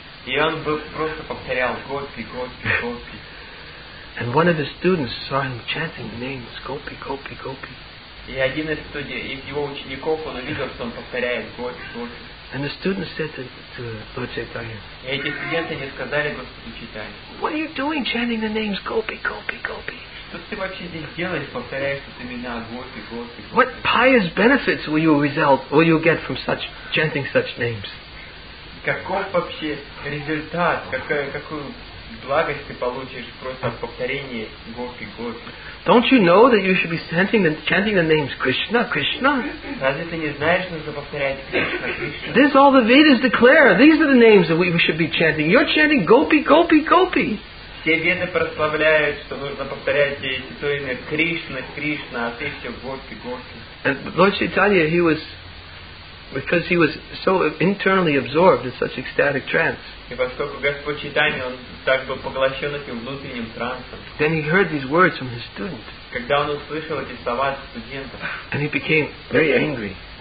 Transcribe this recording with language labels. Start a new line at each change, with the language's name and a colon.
Russian: И он просто повторял гопи, гопи, гопи.
English: And one of the students saw him chanting the names Gopi, Gopi, Gopi.
Russian: И один из его учеников он увидел, что он повторяет Гопи, Гопи.
English: And the students said to Lord Chaitanya.
Russian: И эти студенты не сказали Господу Чайтанье.
English: What are you doing, chanting the names Gopi, Gopi, Gopi?
Russian: Что ты вообще здесь делаешь, повторяешь эти имена Гопи, Гопи?
English: What pious benefits will you get from such chanting such names?
Russian: Каков вообще результат? Какую благость ты получишь просто в повторении Гопи Гопи.
English: Don't you know that you should be chanting the names Krishna, Krishna?
Russian: Разве ты не знаешь, нужно повторять Кришна, Кришна?
English: This all the Vedas declare. These are the names that we should be chanting. You're chanting Gopi, Gopi, Gopi.
Russian: Все Веды прославляют, что нужно повторять эти то имя Кришна, Кришна, а ты все Гопи, Гопи.
English: And Lord Chaitanya, he was Because he was so internally absorbed in such ecstatic trance. Then he heard these words from his student. And he became very angry.